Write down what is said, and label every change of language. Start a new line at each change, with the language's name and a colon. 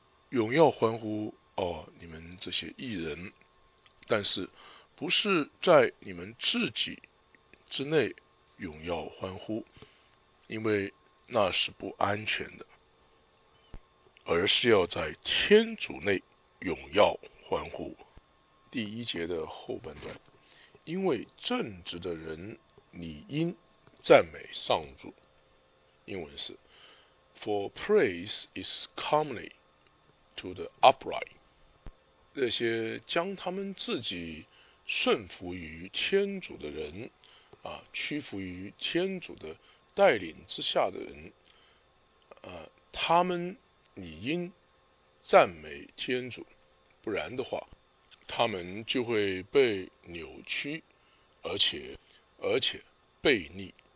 Chinese: 永耀欢呼，哦，你们这些义人，但是不是在你们自己之内永耀欢呼，因为那是不安全的，而是要在天主内永耀欢呼。第一节的后半段，因为正直的人理应赞美上主。英文是
English: For praise is comely to the upright.
Chinese: 那些将他们自己顺服于天主的人啊，屈服于天主的带领之下的人啊，他们理应赞美天主，不然的话，他们就会被扭曲，而且悖逆。